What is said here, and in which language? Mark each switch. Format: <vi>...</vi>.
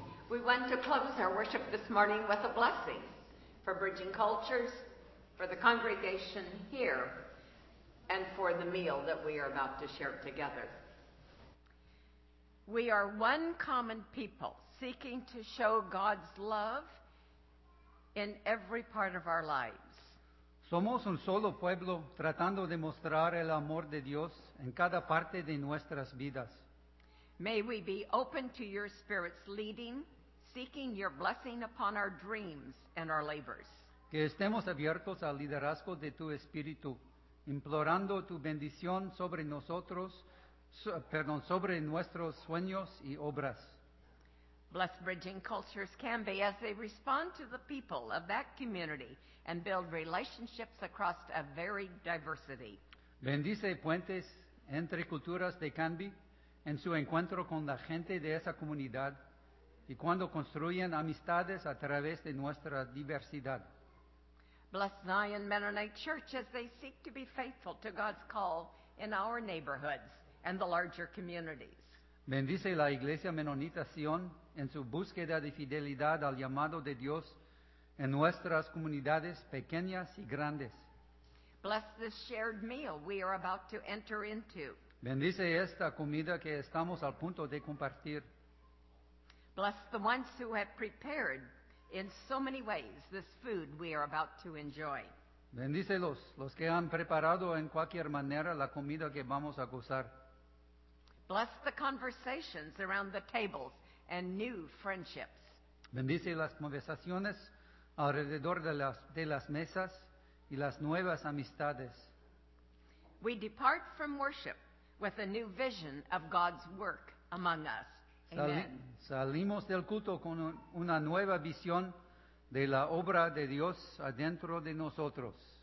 <en>We want to close our worship this morning with a blessing for Bridging Cultures, for the congregation here, and for the meal that we are about to share together. We are one common people seeking to show God's love in every part of our lives.</en> <es>Somos un solo pueblo tratando de mostrar el amor de Dios en cada parte de nuestras vidas.</es> <en>May we be open to your Spirit's leading, seeking your blessing upon our dreams and our labors.</en> <es>Que estemos abiertos al liderazgo de tu Espíritu, implorando tu bendición sobre nosotros, sobre nuestros sueños y obras.</es> <en>Bless Bridging Cultures Canby as they respond to the people of that community and build relationships across a varied diversity.</en> <es>Bendice Puentes Entre Culturas de Canby en su encuentro con la gente de esa comunidad y cuando construyen amistades a través de nuestra diversidad.</es> <en>Bless Zion Mennonite Church as they seek to be faithful to God's call in our neighborhoods and the larger communities.</en> <es>Bendice la Iglesia Menonita Sion en su búsqueda de fidelidad al llamado de Dios en nuestras comunidades pequeñas y grandes.</es> <en>Bless this shared meal we are about to enter into.</en> <es>Bendice esta comida que estamos al punto de compartir.</es> <en>Bless the ones who have prepared in so many ways this food we are about to enjoy.</en> <es>Bendice los que han preparado en cualquier manera la comida que vamos a gozar.</es> <en>Bless the conversations around the tables and new friendships.</en> <es>Bendice las conversaciones alrededor de las mesas y las nuevas amistades.</es> <en>We depart from worship with a new vision of God's work among us</en> <es>Salimos del culto con una nueva visión de la obra de Dios adentro de nosotros.</es>